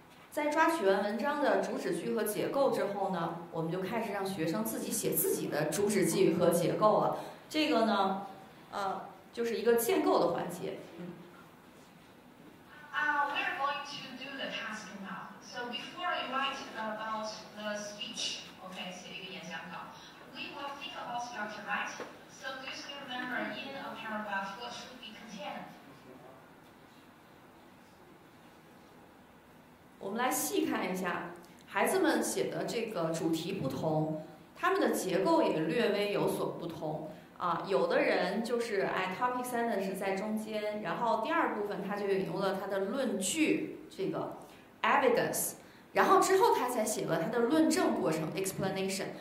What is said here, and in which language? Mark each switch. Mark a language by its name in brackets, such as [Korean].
[Chinese] 在抓取完文章的主旨句和结构之后呢，我们就开始让学生自己写自己的主旨句和结构了。这个呢，就是一个建构的环节。嗯。 [English] We are going to do the task now. So before you write about the speech, okay, [Chinese] 写一个演讲稿 [English] we will think about structure, right? So do you still remember in a paragraph what should be contained? [Chinese] 我们来细看一下孩子们写的这个主题不同，他们的结构也略微有所不同啊。有的人就是哎 topic sentence 是在中间，然后第二部分他就引用了他的论据这个 evidence， 然后之后他才写了他的论证过程 explanation。